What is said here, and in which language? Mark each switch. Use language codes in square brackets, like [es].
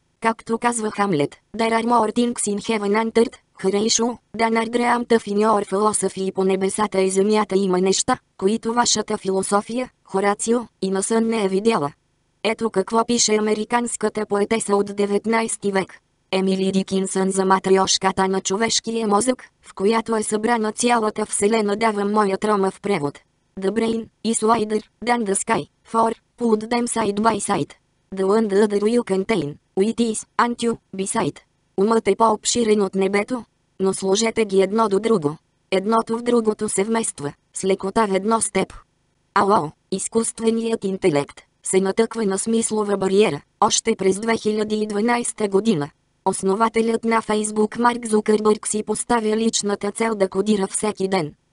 [bg] Както казва Хамлет, [en] «There are more things in heaven and earth, Horatio, than are dreamt of in your philosophy» [bg] и по небесата и земята има неща, които вашата философия, Хорацио, и на сън не е видяла. Ето какво пише американската поетеса от 19 век. Емили Дикинсън за матрешката на човешкия мозък, в която е събрана цялата вселена, давам моя трома в превод. [en] The brain, is wider than the sky, for, put them side by side. The one the other will contain, it is, and you, beside. [bg] Умът е по-обширен от небето, но сложете ги едно до друго. Едното в другото се вмества, с лекота в едно степ. Ало, изкуственият интелект, се натъква на смислова бариера, още през 2012 година. Основателят на Фейсбук Марк Зукърбърг си поставя личната цел да кодира всеки ден.